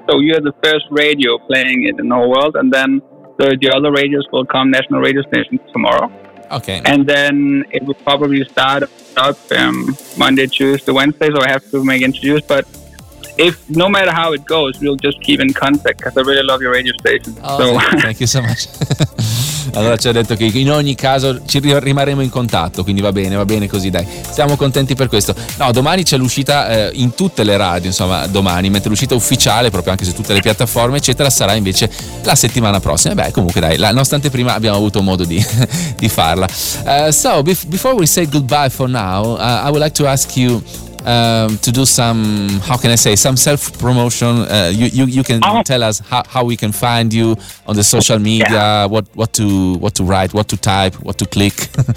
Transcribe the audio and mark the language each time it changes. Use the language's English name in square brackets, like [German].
[English] So you are the first radio playing it in the whole world, and then the other radios will come, national radio stations, tomorrow. Okay. And then it will probably start up Monday, Tuesday, Wednesday, so I have to make interviews. But if no matter how it goes, we'll just keep in contact because I really love your radio station. Oh, so. Thank you so much. [Italian] Allora ci ha detto che in ogni caso ci rimarremo in contatto, quindi va bene così, dai, siamo contenti per questo. No, domani c'è l'uscita in tutte le radio, insomma domani, mentre l'uscita ufficiale proprio anche su tutte le piattaforme eccetera sarà invece la settimana prossima. Beh, comunque dai, la nostra anteprima abbiamo avuto modo di farla. [English] So before we say goodbye for now, I would like to ask you to do some, how can I say, some self promotion. You can tell us how we can find you on the social media. What to write, what to type, what to click.